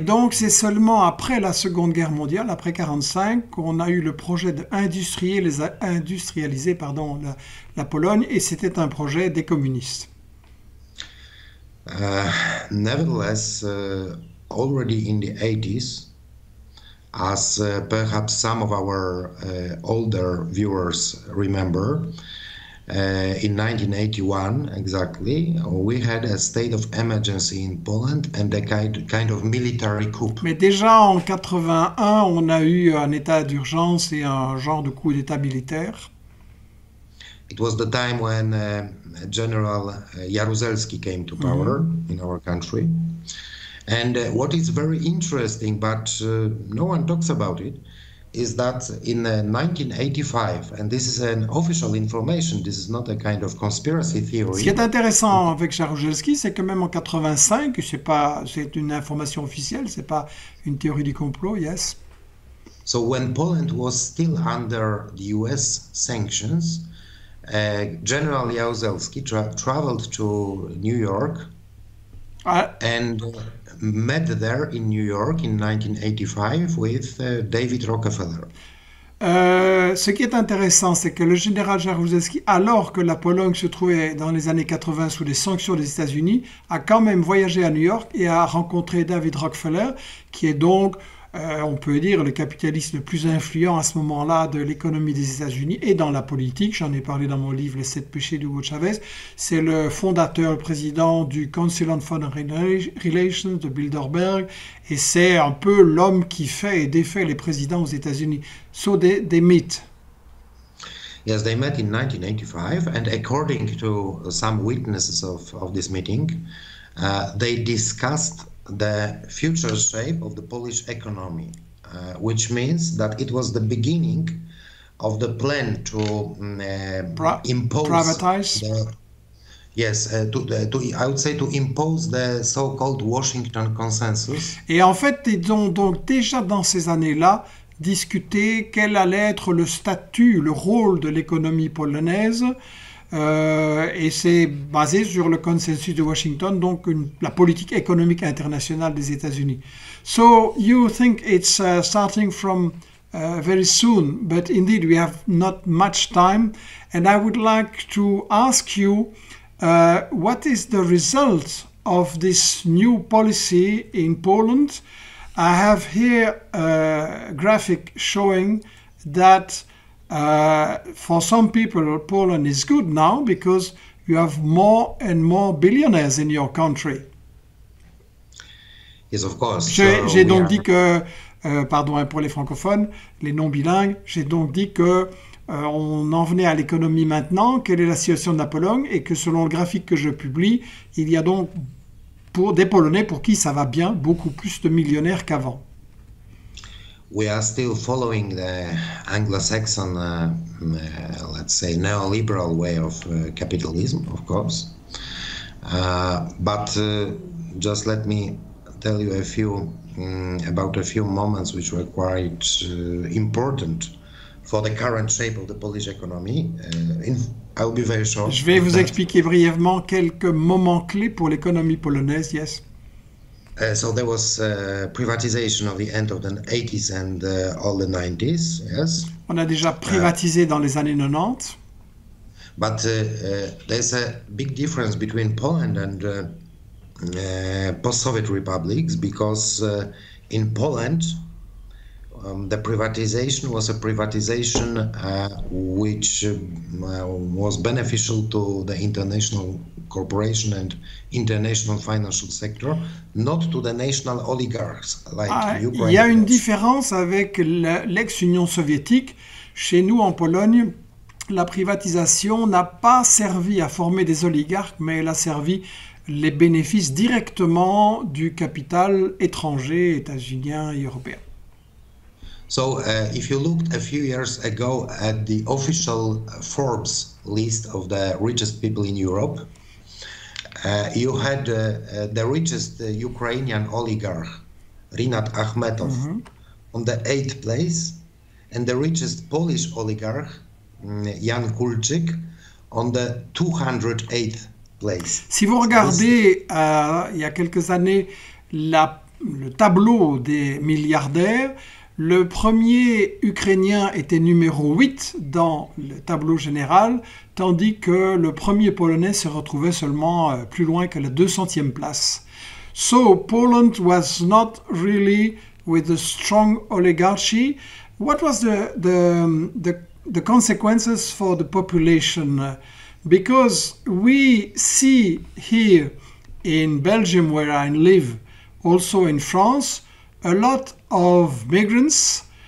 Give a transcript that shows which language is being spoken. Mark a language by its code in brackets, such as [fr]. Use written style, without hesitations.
[fr] donc, c'est seulement après la Seconde Guerre mondiale, après 1945, qu'on a eu le projet d'industrialiser, pardon, la Pologne, et c'était un projet des communistes. [en] Nevertheless, already in the 80s, as perhaps some of our older viewers remember, in 1981 exactly, we had a state of emergency in Poland and a kind of military coup. [fr] Mais déjà en 81, on a eu un état d'urgence et un genre de coup d'état militaire. [en] It was the time when General Jaruzelski came to power in our country. And what is very interesting, but no one talks about it, is that in 1985, and this is an official information, this is not a kind of conspiracy [fr] Ce qui [en] theory, [fr] est [en] but [fr] intéressant avec Jaruzelski, c'est que même en 85, c'est pas, c'est une information officielle, c'est pas une théorie du complot, yes. [en] so when Poland was still under the US sanctions, General Jaruzelski traveled to New York and met there in New York in 1985 with David Rockefeller. [fr] Ce qui est intéressant, c'est que le général Jaruzelski, alors que la Pologne se trouvait dans les années 80 sous les sanctions des États-Unis, a quand même voyagé à New York et a rencontré David Rockefeller, qui est donc, on peut dire, le capitaliste le plus influent à ce moment-là de l'économie des États-Unis et dans la politique. J'en ai parlé dans mon livre Les Sept Péchés d'Hugo Chavez. C'est le fondateur, le président du Council on Foreign Relations de Bilderberg. Et c'est un peu l'homme qui fait et défait les présidents aux États-Unis. [en] So they meet. Yes, they met in 1985, and according to some witnesses of this meeting, they discussed the future shape of the Polish economy, which means that it was the beginning of the plan to impose Privatize. the, yes, to the, to, I would say to impose the so-called Washington Consensus. [fr] Et en fait, ils ont donc déjà dans ces années-là discuté quel allait être le statut, le rôle de l'économie polonaise. Et c'est basé sur le consensus de Washington, donc la politique économique internationale des États-Unis. [en] So, you think it's starting from very soon, but indeed we have not much time. And I would like to ask you What is the result of this new policy in Poland? I have here a graphic showing that for some people, Poland is good now because you have more and more billionaires in your country. Yes, of course. [fr] J'ai donc dit que, pardon, pour les francophones, les non-bilingues, j'ai donc dit que on en venait à l'économie maintenant, quelle est la situation de la Pologne, et que selon le graphique que je publie, il y a donc pour des Polonais pour qui ça va bien, beaucoup plus de millionnaires qu'avant. [en] We are still following the Anglo-Saxon, let's say, neoliberal way of capitalism, of course. But just let me tell you a few about a few moments which were quite important for the current shape of the Polish economy. I will be very short. [fr] Je vais vous expliquer brièvement quelques moments clés pour l'économie polonaise. [en] Yes. So there was privatization of the end of the 80s and all the 90s. Yes. [fr] On a déjà privatisé dans les années 90. [en] But there's a big difference between Poland and post-Soviet republics because in Poland the privatization was a privatization which was beneficial to the international corporation and international financial sector, not to the national oligarchs like Ukraine. [fr] Il y a une différence avec l'ex-Union soviétique. Chez nous en Pologne, la privatisation n'a pas servi à former des oligarques, mais elle a servi les bénéfices directement du capital étranger, états-unien et européen. [en] So, if you looked a few years ago at the official Forbes list of the richest people in Europe, you had the richest Ukrainian oligarch, Rinat Akhmetov, mm-hmm. on the eighth place, and the richest Polish oligarch, Jan Kulczyk, on the 208th place. [fr] Si vous regardez, il y a quelques années, le tableau des milliardaires, le premier Ukrainien était numéro 8 dans le tableau général, tandis que le premier Polonais se retrouvait seulement plus loin que la 200e place. [en] So, Poland was not really with a strong oligarchy. What was the consequences for the population? Because we see here in Belgium, where I live, also in France, a lot of migrants.